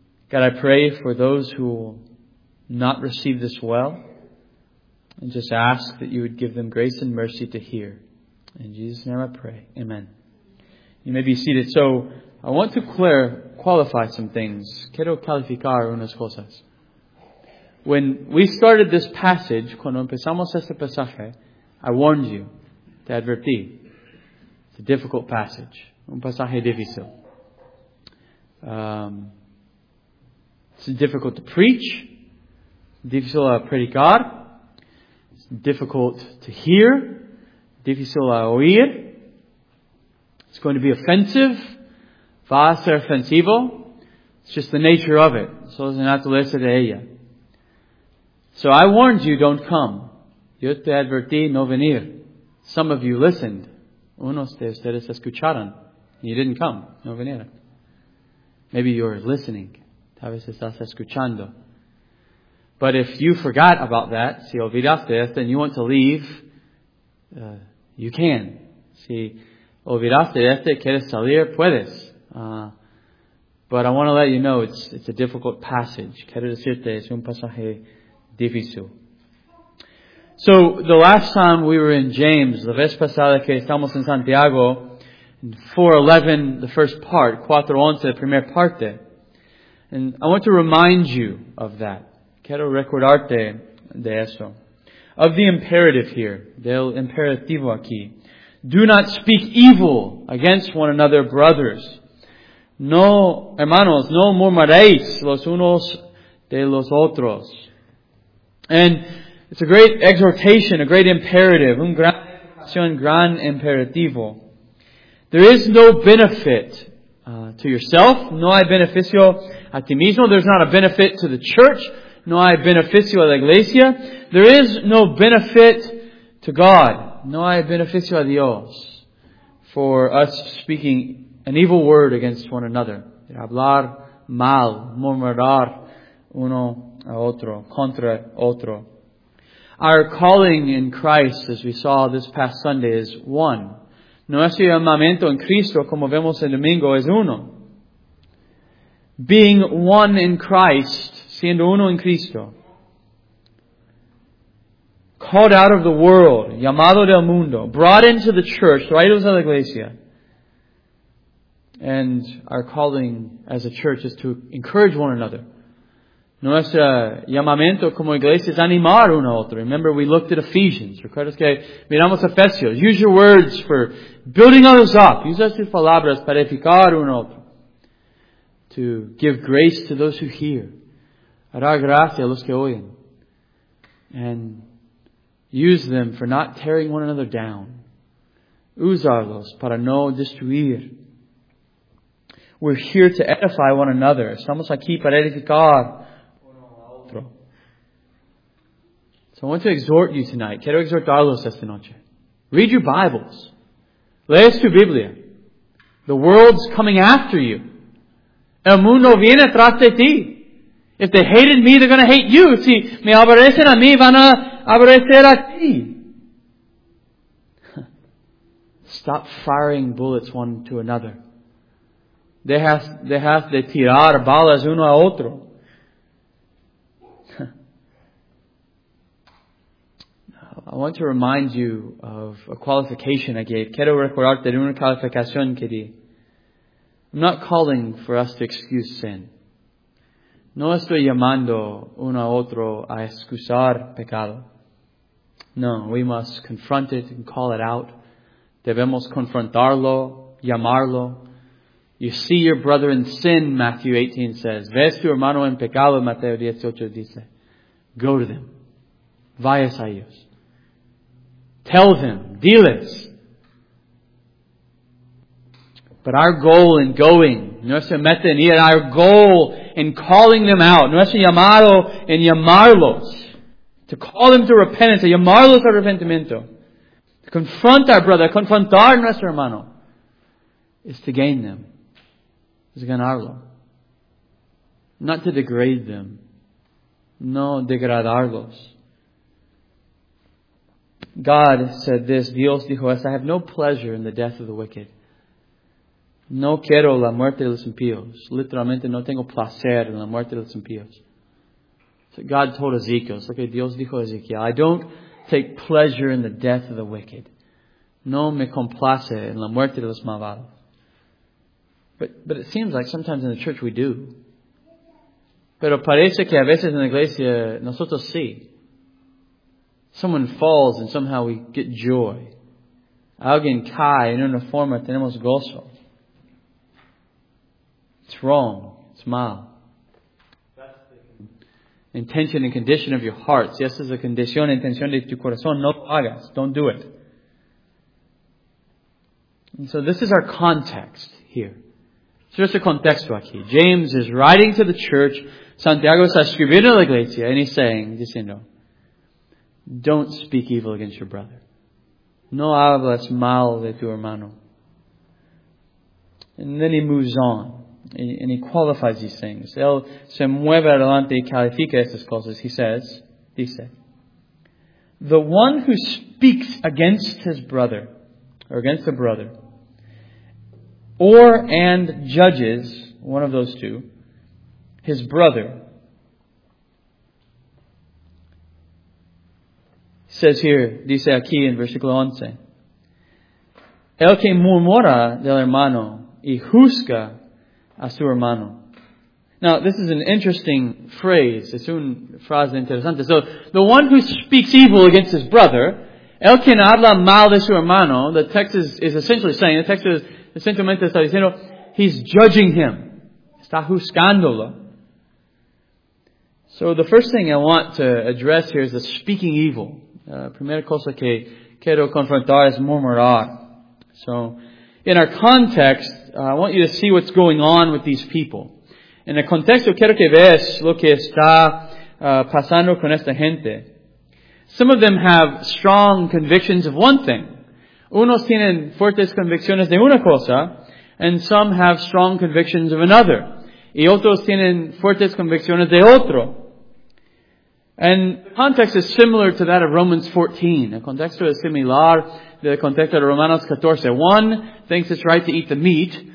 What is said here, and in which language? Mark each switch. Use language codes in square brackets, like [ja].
[en] God, I pray for those who will not receive this well, and just ask that you would give them grace and mercy to hear. In Jesus' name I pray. Amen. You may be seated. So, I want to qualify some things. [es] Quiero calificar unas cosas. [en] When we started this passage, [es] cuando empezamos este pasaje, [en] I warned you, [es] te advertí. [en] It's a difficult passage. [es] Un pasaje difícil. [en] It's difficult to preach. [es] Difícil a predicar. [en] It's difficult to hear. [es] Difícil a oír. [en] It's going to be offensive. [es] Va a ser ofensivo. [en] It's just the nature of it. [es] So es la naturaleza de ella. [en] So I warned you, don't come. [es] Yo te advertí, no venir. [en] Some of you listened. [es] Unos de ustedes escucharon. [en] And you didn't come. [es] No vinieron. [en] Maybe you're listening. [es] Tal vez estás escuchando. [en] But if you forgot about that, [es] si olvidaste esto, [en] and you want to leave, you can. [es] Si olvidaste esto, quieres salir, puedes. [en] But I want to let you know it's a difficult passage. [es] Quiero decirte, es un pasaje difícil. [en] So, the last time we were in James, [es] la vez pasada que estamos en Santiago, [en] 4:11, the first part, 4:11, [es] la primera parte. [en] And I want to remind you of that. [es] Quiero recordarte de eso. [en] Of the imperative here. [es] Del imperativo aquí. [en] Do not speak evil against one another, brothers. [es] No, hermanos, no murmuréis los unos de los otros. [en] And it's a great exhortation, a great imperative. [es] Un gran imperativo. [en] There is no benefit to yourself. [es] No hay beneficio a ti mismo. [en] There's not a benefit to the church. [es] No hay beneficio a la iglesia. [en] There is no benefit to God. [es] No hay beneficio a Dios. [en] For us speaking an evil word against one another. [es] Hablar mal. Murmurar uno a otro. Contra otro. [en] Our calling in Christ, as we saw this past Sunday, is one. [es] Nuestro llamamiento en Cristo, como vemos el domingo, es uno. [en] Being one in Christ, [es] siendo uno en Cristo. [en] Called out of the world, [es] llamado del mundo. [en] Brought into the church, [es] traídos a la iglesia. [en] And our calling as a church is to encourage one another. [es] Nuestro llamamiento como iglesia es animar uno a otro. [en] Remember, we looked at Ephesians. [es] Recuerdas que miramos Efesios. [en] Use your words for building others up. [es] Use tus palabras para edificar uno a otro. [en] To give grace to those who hear. [es] Hará gracia a los que oyen. [en] And use them for not tearing one another down. [es] Usarlos para no destruir. [en] We're here to edify one another. [es] Estamos aquí para edificar uno a otro. [en] So I want to exhort you tonight. [es] Quiero exhortarlos esta noche. [en] Read your Bibles. [es] Lees tu Biblia. [en] The world's coming after you. [es] El mundo viene tras de ti. [en] If they hated me, they're going to hate you. [es] Si me aborrecen a mí, van a aborrecer a ti. [en] Stop firing bullets one to another. [es] Dejas de tirar balas uno a otro. [en] I want to remind you of a qualification I gave. [es] Quiero recordarte de una calificación que di. [en] I'm not calling for us to excuse sin. [es] No estoy llamando uno a otro a excusar pecado. [en] No, we must confront it and call it out. [es] Debemos confrontarlo, llamarlo. [en] You see your brother in sin, Matthew 18 says. [es] Ves tu hermano en pecado, Mateo 18 dice. [en] Go to them. [es] Vayas a ellos. [en] Tell them. [es] Diles. [en] But our goal in going, [es] nuestra meta en ir, [en] our goal in calling them out, [es] nuestro llamado en llamarlos, [en] to call them to repentance, [es] a llamarlos a arrepentimiento, [en] to confront our brother, [es] confrontar nuestro hermano, [en] is to gain them. [es] Es ganarlo. [en] Not to degrade them. [es] No degradarlos. [en] God said this, [es] Dios dijo esto, [en] I have no pleasure in the death of the wicked. [es] No quiero la muerte de los impíos. Literalmente, no tengo placer en la muerte de los impíos. [en] So God told Ezekiel. So okay, [es] Dios dijo a Ezekiel, [en] I don't take pleasure in the death of the wicked. [es] No me complace en la muerte de los malvados. [en] But it seems like sometimes in the church we do. [es] Pero parece que a veces en la iglesia nosotros sí. [en] Someone falls and somehow we get joy. [es] Alguien cae en una forma tenemos gozo. [en] It's wrong. It's mal. Intention and condition of your heart. [es] Si esa es la condición e intención de tu corazón, no lo hagas. [en] Don't do it. And so this is our context here. It's just a contexto aquí. James is writing to the church. [es] Santiago está escribiendo a la iglesia. [en] And he's saying, diciendo, don't speak evil against your brother. [es] No hablas mal de tu hermano. [en] And then he moves on. And he qualifies these things. [es] Él se mueve adelante y califica estas cosas. [en] He says, dice, the one who speaks against his brother, or against a brother, or and judges, one of those two, his brother, says here, [es] dice aquí en versículo 11, el que murmura del hermano y juzga a su hermano. [en] Now, this is an interesting phrase. [es] Es una frase interesante. [en] So, the one who speaks evil against his brother, [es] el que habla mal de su hermano, [en] the text is essentially saying, the text is essentially saying, he's judging him. [es] Está juzgándolo. [en] So, the first thing I want to address here is the speaking evil. [es] Primera cosa que quiero confrontar es murmurar. [en] So, in our context, I want you to see what's going on with these people. [es] En el contexto, quiero que veas lo que está pasando con esta gente. [en] Some of them have strong convictions of one thing. [es] Unos tienen fuertes convicciones de una cosa, [en] and some have strong convictions of another. [es] Y otros tienen fuertes convicciones de otro. [en] And the context is similar to that of Romans 14. [es] El contexto es similar del contexto de Romanos 14. [en] One thinks it's right to eat the meat.